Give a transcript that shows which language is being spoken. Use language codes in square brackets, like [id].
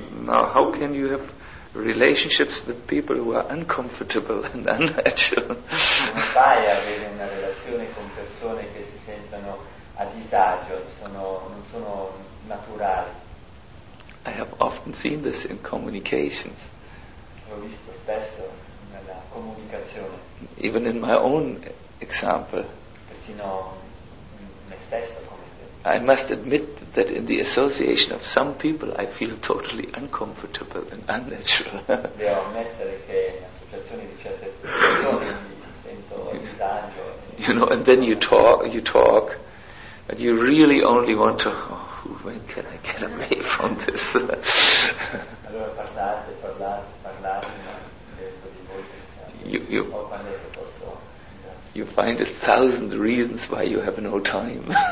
[en] No, how can you have relationships with people who are uncomfortable and unnatural? [it] Non fai avere una relazione con persone che si sentono a disagio, non sono naturali. [en] I have often seen this in communications. [it] Ho visto spesso nella comunicazione. [en] Even in my own example. [it] Persino me stesso come [en] I must admit that in the association of some people I feel totally uncomfortable and unnatural. [it] Devo ammettere che in associazioni di certe persone sento disagio. [en] You know, and then you talk, and you really only want to, oh, when can I get away from this? [it] Allora parlate, ma quando posso. [en] You find a thousand reasons why you have no time.